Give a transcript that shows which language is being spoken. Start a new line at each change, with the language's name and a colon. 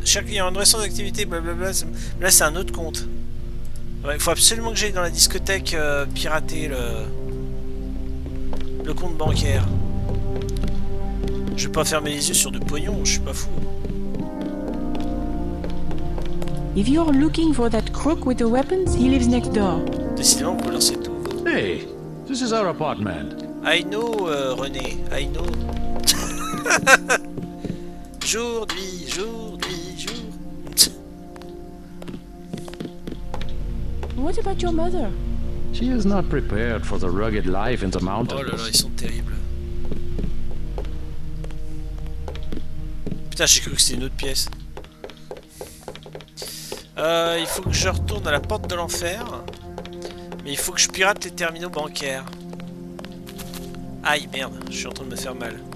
French: Cher client, adressant d'activité, blablabla. Là c'est un autre compte. Il faut absolument que j'aille dans la discothèque pirater le compte bancaire. Je vais pas fermer les yeux sur du pognon, je suis pas fou.
English: If you're looking for that crook with the weapons, he lives next door.
French: Décidément, vous lancez tout.
English: Hey, this is our apartment. I know, René, I know.
French: Jour, nuit, jour, nuit, jour.
English: What about your mother? She is not prepared for the rugged life in the mountains.
French: Oh là là, ils sont terribles. Putain, j'ai cru que c'était une autre pièce. Il faut que je retourne à la porte de l'enfer. Mais il faut que je pirate les terminaux bancaires. Aïe, merde, je suis en train de me faire mal.